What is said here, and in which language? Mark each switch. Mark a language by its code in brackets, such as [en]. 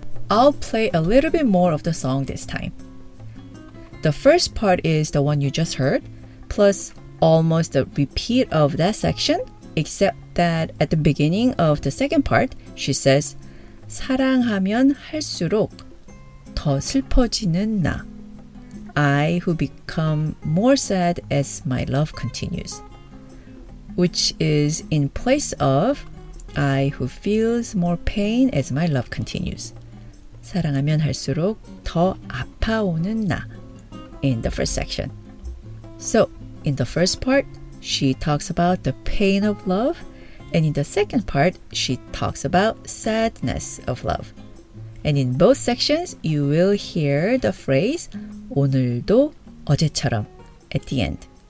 [en] I'll play a little bit more of the song this time. The first part is the one you just heard, plus almost a repeat of that section, except that at the beginning of the second part, she says, [ko] 사랑하면 할수록 더 슬퍼지는 나. [en] I who become more sad as my love continues. Which is in place of I who feels more pain as my love continues. [ko] 사랑하면 할수록 더 아파오는 나. [en] In the first section. So, in the first part, she talks about the pain of love. And in the second part, she talks about sadness of love. And in both sections, you will hear the phrase [ko] 오늘도 어제처럼 [en] at the end.